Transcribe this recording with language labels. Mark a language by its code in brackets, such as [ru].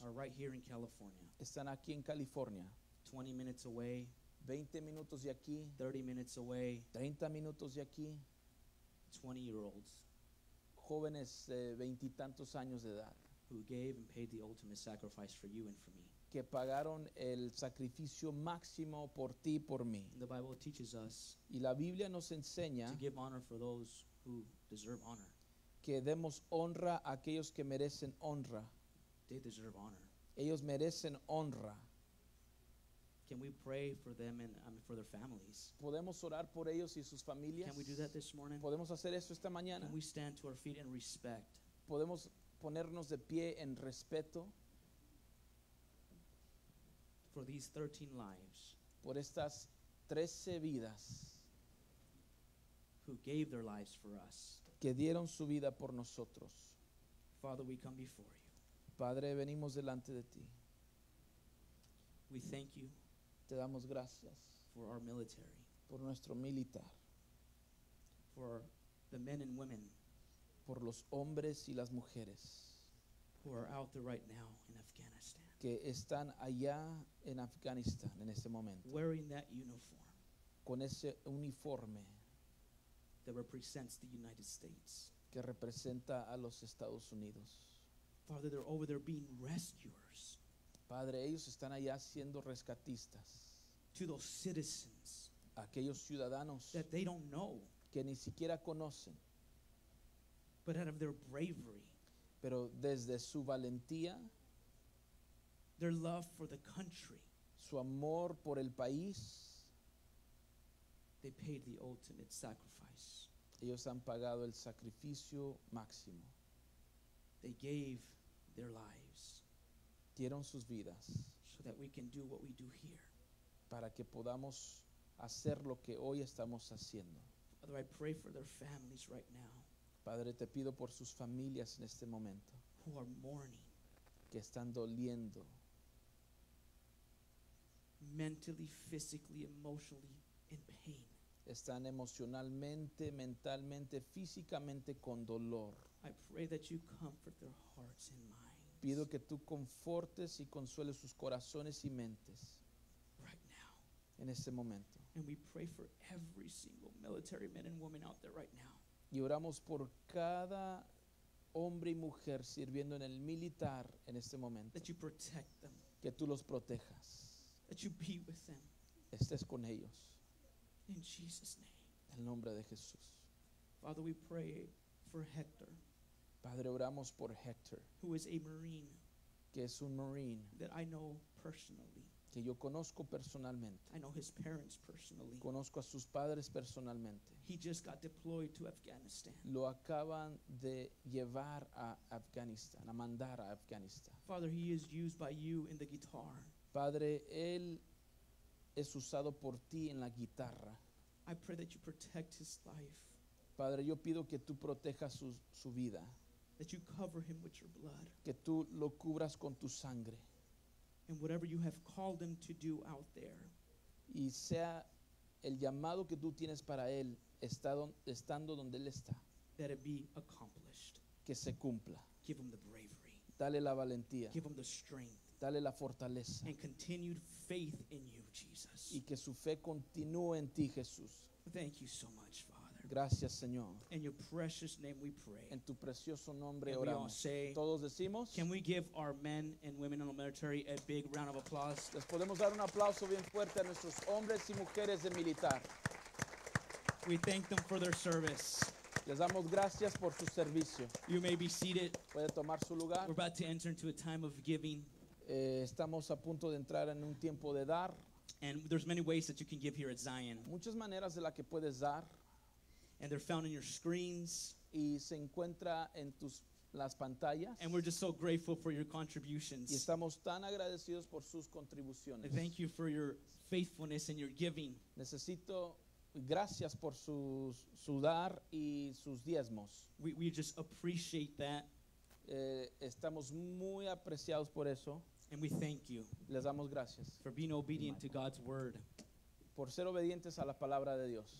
[en] are right here in California. [es] Están aquí en California. [en] 20 minutes away. [es] 20 minutos de aquí. [en] 30 minutes away. [es] 30 minutos de aquí. [en] 20-year-olds. [es] Jóvenes de 20 y tantos años de edad. [en] Who gave and paid the ultimate sacrifice for you and for me. [es] Que pagaron el sacrificio máximo por ti y por mí. [en] The Bible teaches us. [es] Y la Biblia nos enseña. [en] To give honor for those who deserve honor. [es] Que demos honra a aquellos que merecen honra. [en] They deserve honor. [es] Ellos merecen honra. [en] Can we pray for them and for their families? [es] Podemos orar por ellos y sus familias. [en] Can we do that this morning? [es] Podemos hacer eso esta mañana. [en] Can we stand to our feet in respect? [es] Podemos ponernos de pie en respeto. [en] For these 13 lives. [es] Por estas 13 vidas. [en] Who gave their lives for us. [es] Que dieron su vida por nosotros. [en] Father, we come before you. [es] Padre, venimos delante de ti. [en] We thank you. [es] Te damos gracias. [en] For our military. [es] Por nuestro militar. [en] For the men and women. [es] Por los hombres y las mujeres. [en] Who are out there right now in Afghanistan. [es] Que están allá en Afganistán en este momento. [en] Wearing that uniform. [es] Con ese uniforme. [en] That represents the United States. [es] Que representa a los Estados Unidos. [en] Father, they're over there being rescuers. [es] Padre, ellos están allá siendo rescatistas. [en] To those citizens. [es] Aquellos ciudadanos. [en] That they don't know. [es] Que ni siquiera conocen. [en] But out of their bravery. [es] Pero desde su valentía. [en] Their love for the country. [es] Su amor por el país. [en] They paid the ultimate sacrifice. [es] Ellos han pagado el sacrificio máximo. [en] They gave their lives. [es] Dieron sus vidas. [en] So that we can do what we do here. [es] Para que podamos hacer lo que hoy estamos haciendo. [en] Father, I pray for their families right now. [es] Padre, te pido por sus familias en este momento. [en] Who are mourning. [es] Que están doliendo. [en] Mentally, physically, emotionally. In pain. [es] Están emocionalmente, mentalmente, físicamente con dolor. [en] I pray that you comfort their hearts and minds. [es] Pido que tú confortes y consueles sus corazones y mentes. [en] Right now. [es] En este momento. [en] And we pray for every single military man and woman out there right now. [es] Y oramos por cada hombre y mujer sirviendo en el militar en este momento. [en] That you protect them. [es] Que tú los protejas. [en] That you be with them. [es] Estés con ellos. [en] In Jesus' name. [es] El nombre de Jesús. [en] Father, we pray for Hector. [es] Padre, oramos por Hector. [en] Who is a Marine. [es] Que es un Marine. [en] That I know personally. [es] Que yo conozco personalmente. [en] I know his parents personally. [es] Conozco a sus padres personalmente. [en] He just got deployed to Afghanistan. [es] Lo acaban de llevar a Afganistán, a mandar a Afganistán. [en] Father, he is used by you in the guitar. [es] Padre, él es usado por ti en la guitarra. [en] I pray that you protect his life. [es] Padre, yo pido que tú protejas su vida. [en] That you cover him with your blood. [es] Que tú lo cubras con tu sangre. [en] And whatever you have called him to do out there. [es] Y sea el llamado que tú tienes para él estando donde él está. [en] That it be accomplished. [es] Que se cumpla. [en] Give him the bravery. [es] Dale la valentía. [en] Give him the strength. [es] Dale la fortaleza. [en] And continued faith in you, Jesus. [es] Y que su fe continúe en ti, Jesús. [en] Thank you so much, Father. [es] Gracias, Señor. [en] In your precious name we pray. [es] En tu precioso nombre [en] and [es] oramos. [en] We all say, [es] todos decimos. [en] Can we give our men and women in the military a big round of applause? [es] Les podemos dar un aplauso bien fuerte a nuestros hombres y mujeres de militar. [en] We thank them for their service. [es] Les damos gracias por su servicio. [en] You may be seated. [es] Puede tomar su lugar. [en] We're about to enter into a time of giving. [es] Estamos a punto de entrar en un tiempo de dar. [en] And there's many ways that you can give here at Zion. [es] Muchas maneras de la que puedes dar. [en] And they're found in your screens. [es] Y se encuentra en las pantallas. [en] And we're just so grateful for your contributions. [es] Y estamos tan agradecidos por sus contribuciones. [en] Thank you for your faithfulness and your giving. [es] Necesito gracias por su dar y sus diezmos. [en] We just appreciate that. [es] Estamos muy apreciados por eso. [en] And we thank you. [es] Les damos gracias. [en] For being obedient to God's word. [es] Por ser obedientes a la palabra de Dios.